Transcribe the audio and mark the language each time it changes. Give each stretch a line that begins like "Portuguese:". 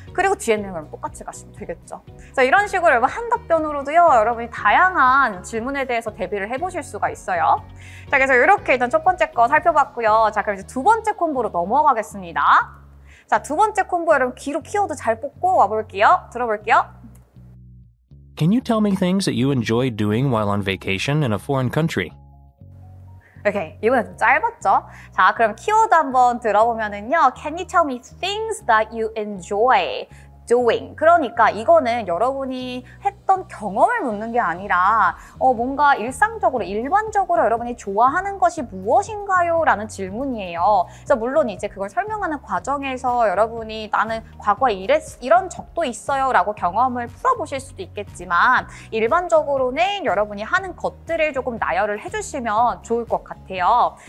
Korean: 그리고 뒤에는 그럼 똑같이 가시면 되겠죠. 자, 이런 식으로 한 답변으로도요, 여러분이 다양한 질문에 대해서 대비를 해보실 수가 있어요. 자, 그래서 이렇게 일단 첫 번째 거 살펴봤고요. 자, 그럼 이제 두 번째 콤보로 넘어가겠습니다. 자, 두 번째 콤보 여러분 귀로 키워도 잘 뽑고 와볼게요. 들어볼게요.
English: Can you tell me things that you enjoy doing while on vacation in a foreign country?
Korean: 오케이, okay, 이번엔 좀 짧았죠? 자, 그럼 키워드 한번 들어보면은요.
English: Can you tell me things that you enjoy doing?
Korean: 그러니까 이거는 여러분이 했던 경험을 묻는 게 아니라 뭔가 일상적으로, 일반적으로 여러분이 좋아하는 것이 무엇인가요? 라는 질문이에요. 그래서 물론 이제 그걸 설명하는 과정에서 여러분이 나는 과거에 이런 적도 있어요 라고 경험을 풀어보실 수도 있겠지만 일반적으로는 여러분이 하는 것들을 조금 나열을 해주시면 좋을 것 같아요.